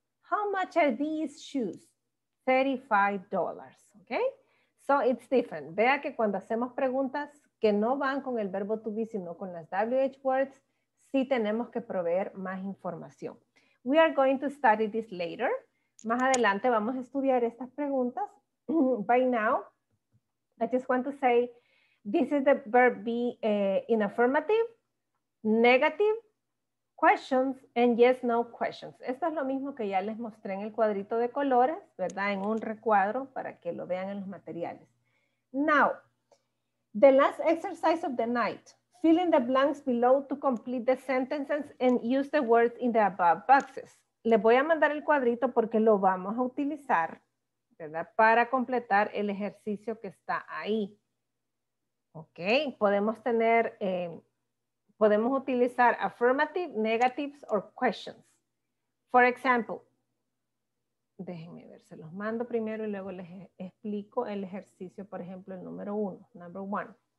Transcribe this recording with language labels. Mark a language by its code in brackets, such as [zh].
[en] How much are these shoes? $35, okay? So it's different. [es] Vea que cuando hacemos preguntas que no van con el verbo to be, sino con las WH words, sí tenemos que proveer más información. [en] We are going to study this later. [es] Más adelante vamos a estudiar estas preguntas. [en] By now, I just want to say, this is the verb be in affirmative, negative, questions and yes, no questions. [es] Esto es lo mismo que ya les mostré en el cuadrito de colores, ¿verdad? En un recuadro para que lo vean en los materiales. [en] Now, the last exercise of the night. Fill in the blanks below to complete the sentences and use the words in the above boxes. [es] Les voy a mandar el cuadrito porque lo vamos a utilizar, ¿verdad? Para completar el ejercicio que está ahí. Ok, podemos tener... podemos utilizar [en] affirmative, negatives, or questions. For example, [es] déjenme ver, se los mando primero y luego les explico el ejercicio, por ejemplo, el número uno, [en] number one.